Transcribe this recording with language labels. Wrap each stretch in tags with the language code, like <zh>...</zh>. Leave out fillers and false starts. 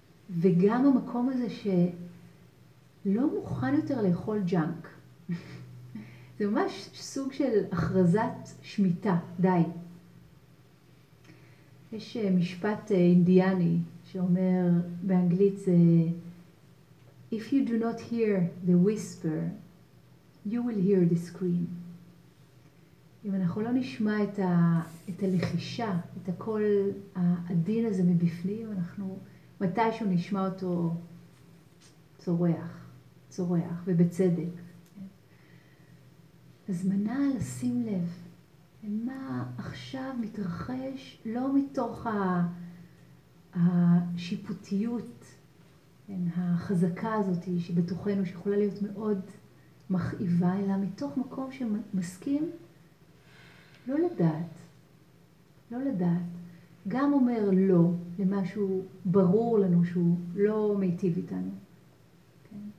<he>וגם המקום הזה שלא מוכן יותר לאכול ג'אנק. זה ממש סוג של הכרזת שמיטה, די. יש משפט אינדיאני שאומר באנגלית זה...</he> <en>If you do not hear the whisper, you will hear the scream.</en> <he>אם אנחנו לא נשמע את הלחישה, את הקול העדין הזה מבפנים, אנחנו מתישהו נשמע אותו צורח, צורח, ובצדק. הזמנה לשים לב למה עכשיו מתרחש, לא מתוך השיפוטיות, החזקה הזאת שבתוכנו שיכולה להיות מאוד מכאיבה, אלא מתוך מקום שמסכים לא לדעת, לא לדעת, גם אומר לא למשהו ברור לנו שהוא לא מיטיב איתנו, כן?</he>